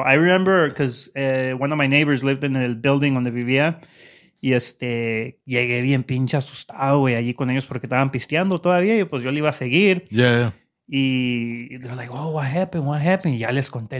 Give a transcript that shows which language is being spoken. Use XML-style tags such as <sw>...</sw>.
<en>I remember because one of my neighbors lived in the building</en> <es>donde vivía. Y llegué bien pinche asustado, güey, allí con ellos porque estaban pisteando todavía. Y pues yo le iba a seguir.</es> <en>Yeah.</en> <es>Y</es> <en>they're like, oh, what happened?</en> <es>Y ya les conté.</es>